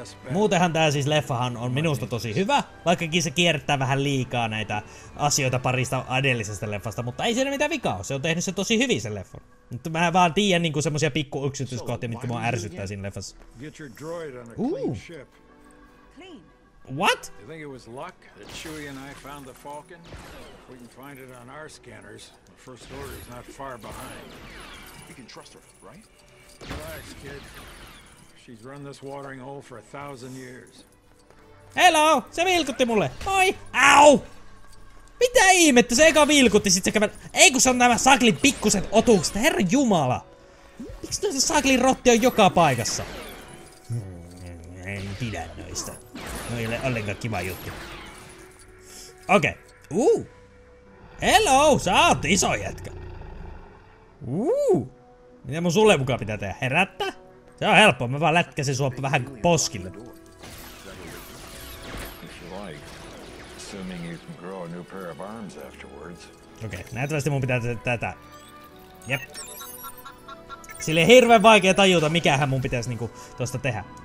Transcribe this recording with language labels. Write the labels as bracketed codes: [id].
[fi] Muutenhan tää siis leffahan on minusta tosi hyvä, vaikkakin se kiertää vähän liikaa näitä asioita parista edellisestä leffasta, mutta ei siinä mitään vikaa ole. Se on tehnyt sen tosi hyvin sen leffon. Mutta mä vaan tiedän niinku semmosia pikku yksityiskohtia, mitkä mua ärsyttää siinä leffassa. [en] Clean. What? You think it was luck that Chewie and I found the Falcon? If we can find it on our scanners, the First Order is not far behind. We can trust her, right? Relax, kid. She's run this watering hole for 1,000 years. [fi] Hello! Se vilkutti mulle! Moi! Au! Mitä ihmettä, se eka vilkutti, sit se kävi... Ei kun se on nämä saklin pikkuset otukset, herra jumala! Miksi noissa saklin rotti on joka paikassa? En pidä noista. No ei ole ollenkaan kiva juttu. Okei. Okay. Hello, sä oot iso jätkä. Mitä mun sulle mukaan pitää tehdä? Herättää? Se on helppo, mä vaan lätkäsin sua vähän poskille. [en] Assuming you can grow a new pair of arms afterwards. [fi] Okei, okay, näyttävästi mun pitää tehdä tätä. Jep. Silleen hirveen vaikea tajuta, mikähän mun pitäis niinku tosta tehdä.